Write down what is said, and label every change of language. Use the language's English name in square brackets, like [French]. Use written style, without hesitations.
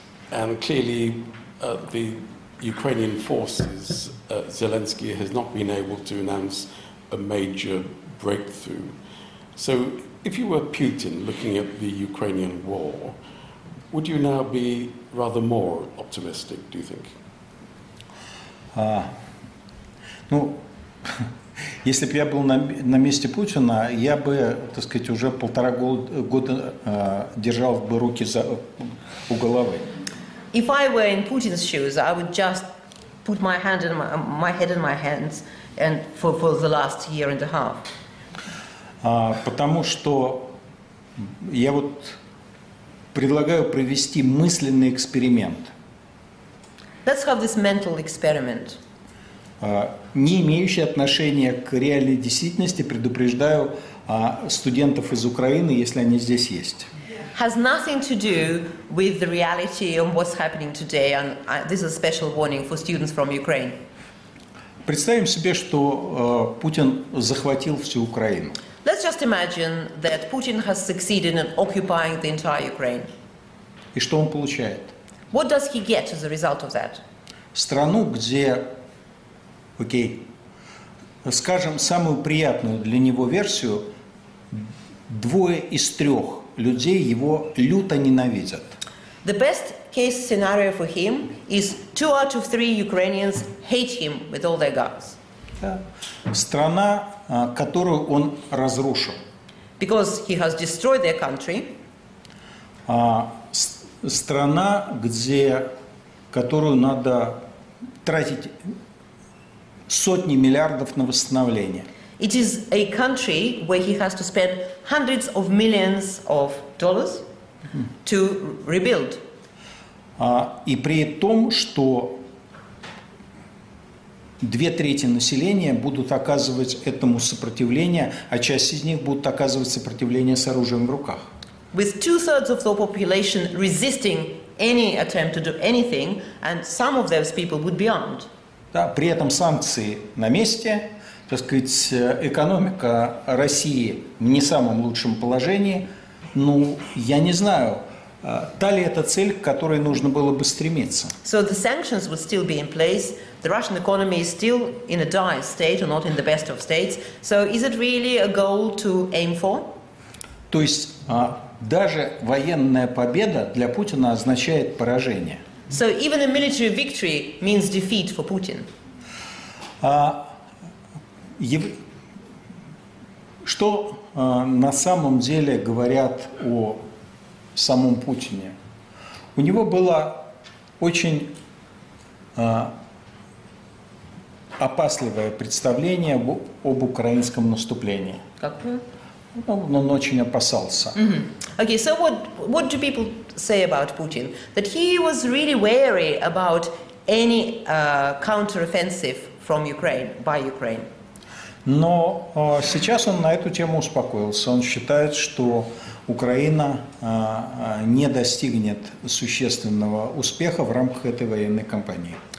[English] And clearly, the Ukrainian forces, Zelensky has not been able to announce a major breakthrough. So, if you were Putin looking at the Ukrainian war, would you now be rather more optimistic, do you think? [Russian] Ну, если бы я был на месте Путина, я бы, так сказать, уже полтора года держал бы руки у головы. [English] If I were in Putin's shoes, I would just put my hand in my head in my hands and for the last year and a half. [Russian] Потому что я вот предлагаю провести мысленный эксперимент. [English] Let's have this mental experiment. [Russian] Не имеющий отношения к реальной действительности, предупреждаю студентов из Украины, если они здесь есть. [English] Has nothing to do with the reality of what's happening today, and this is a special warning for students from Ukraine. [Russian] Представим себе, что Путин захватил всю Украину. [English] Let's just imagine that Putin has succeeded in occupying the entire Ukraine. [Russian] И что он получает? [English] What does he get as a result of that? [Russian] Страну, где, окей, скажем, самую приятную для него версию, двое из трех людей его люто ненавидят. [English] The best case scenario for him is two out of three Ukrainians hate him with all their guts. [Russian] Страна, которую он разрушил. [English] Because he has destroyed their country. [Russian] Страна, где, которую надо тратить сотни миллиардов на восстановление. [English] It is a country where he has to spend hundreds of millions of dollars to rebuild. [Russian] И при том, что две трети населения будут оказывать этому сопротивление, а часть из них будут оказывать сопротивление с оружием в руках. [English] With two-thirds of the population resisting any attempt to do anything, and some of those people would be armed. [Russian] Да, при этом санкции на месте, так сказать, экономика России в не самом лучшем положении. Ну, я не знаю, Та ли это цель, к которой нужно было бы стремиться? [English] So the sanctions would still be in place. The Russian economy is still in a dire state, or not in the best of states. So is it really a goal to aim for? [Russian] То есть даже военная победа для Путина означает поражение. [English] So even a military victory means defeat for Putin. [Russian] Что на самом деле говорят о самом Путине? У него была очень опасливое представление об украинском наступлении. Он очень опасался. Mm-hmm. [English] Okay, so what do people say about Putin? That he was really wary about any counter-offensive from Ukraine, by Ukraine. [Russian] Но сейчас он на эту тему успокоился. Он считает, что Украина не достигнет существенного успеха в рамках этой военной кампании.